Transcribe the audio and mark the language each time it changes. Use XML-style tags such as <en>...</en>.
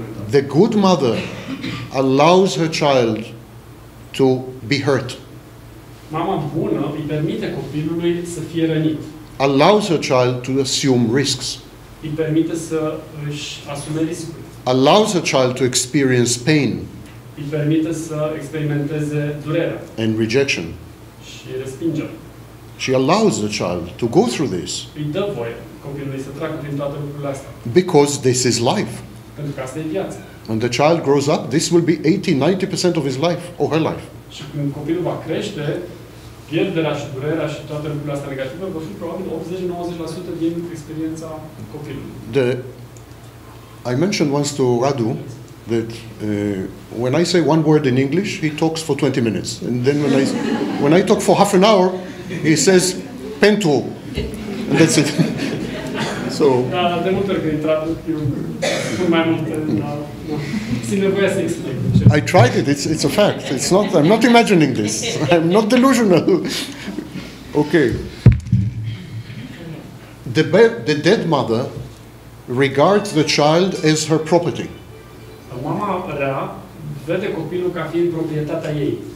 <en>The good mother allows her child to be hurt.</en> <ro>Mama bună îi permite copilului să fie rănit.</ro> <en>Allows her child to assume risks.</en> <ro>Îi permite să își asume riscuri.</ro> <en>Allows her child to experience pain.</en> <ro>Îi permite să experimenteze durerea.</ro> <en>And rejection.</en> <ro>Și respingere.</ro> <en>She allows the child to go through this.</en> <ro>Îi dă voie copilului să treacă prin toate lucrurile astea.</ro> <en>Because this is life.</en> <ro>Pentru că asta e viața.</ro> <en>When the child grows up, this will be 80-90% of his life or her life.</en> <ro>Și când copilul va crește, pierderea și durerea și toate lucrurile astea negative vor fi probabil 80-90% din experiența copilului.</ro> <en>I mentioned once to Radu that when I say one word in English, he talks for 20 minutes. And then when I talk for half an hour, he says, pentru. And that's it. So.</en> <ro>De multe ori când traduc, eu mai multe, simt nevoia să explic.</ro> <en>I tried it, it's a fact. It's not, I'm not imagining this. I'm not delusional. Okay. The dead mother regards the child as her property.</en> <ro>Mama rea vede copilul ca fiind proprietatea ei.</ro>